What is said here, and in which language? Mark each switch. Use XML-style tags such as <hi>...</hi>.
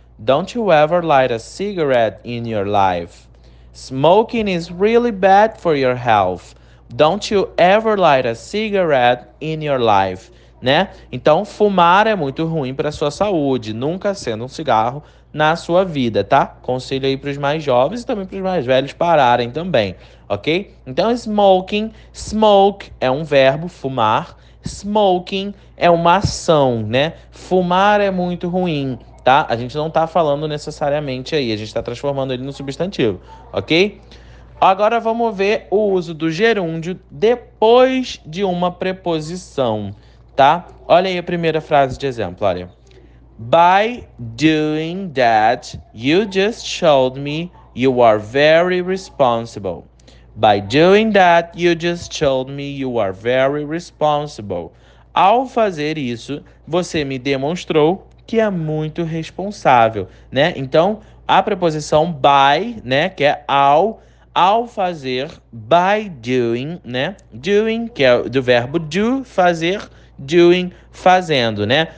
<en>Don't you ever light a cigarette in your life? Smoking is really bad for your health. Don't you ever light a cigarette in your life?</en> <pt>Né? Então, fumar é muito ruim para sua saúde, nunca acenda um cigarro na sua vida, tá? Conselho aí para os mais jovens e também para os mais velhos pararem também, ok? Então, smoking, smoke é um verbo, fumar. Smoking é uma ação, né? Fumar é muito ruim. Tá? A gente não está falando necessariamente aí, a gente está transformando ele no substantivo, ok? Agora vamos ver o uso do gerúndio depois de uma preposição, tá? Olha aí a primeira frase de exemplo, olha.</pt> <en>By doing that, you just showed me you are very responsible. By doing that, you just showed me you are very responsible.</en> <pt>Ao fazer isso, você me demonstrou que é muito responsável, né? Então, a preposição by, né, que é ao, ao fazer, by doing, né? Doing, que é do verbo do, fazer, doing, fazendo, né?</pt>